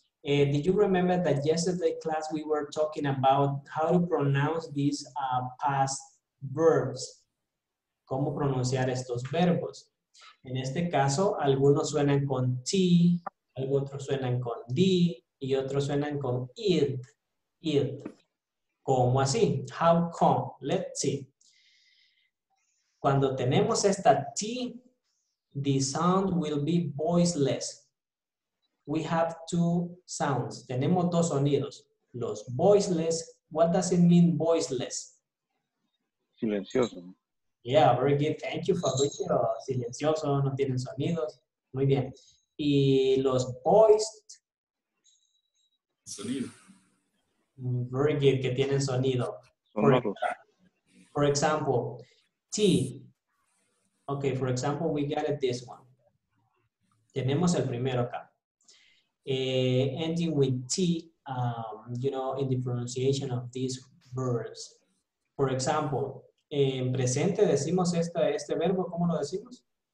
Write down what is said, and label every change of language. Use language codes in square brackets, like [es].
[en] Did you remember that yesterday class we were talking about how to pronounce these past verbs? [es] ¿Cómo pronunciar estos verbos? En este caso, algunos suenan con T, otros suenan con D, y otros suenan con id, id. ¿Cómo así? [en] How come? Let's see. [es] Cuando tenemos esta T, [en] the sound will be voiceless. We have two sounds. [es] Tenemos dos sonidos. [en] Los voiceless, what does it mean voiceless? [es] Silencioso. [en] Yeah, very good. Thank you, Fabricio. [es] Silencioso, no tienen sonidos. Muy bien. Y los voiced. Sonido. [en] Very good, [es] que tienen sonido. [en] For example, T. Okay, for example, we got it this one. [es] Tenemos el primero acá. [en] Ending with T, you know, in the pronunciation of these verbs. For example, [es] en presente decimos este verbo, ¿cómo lo decimos?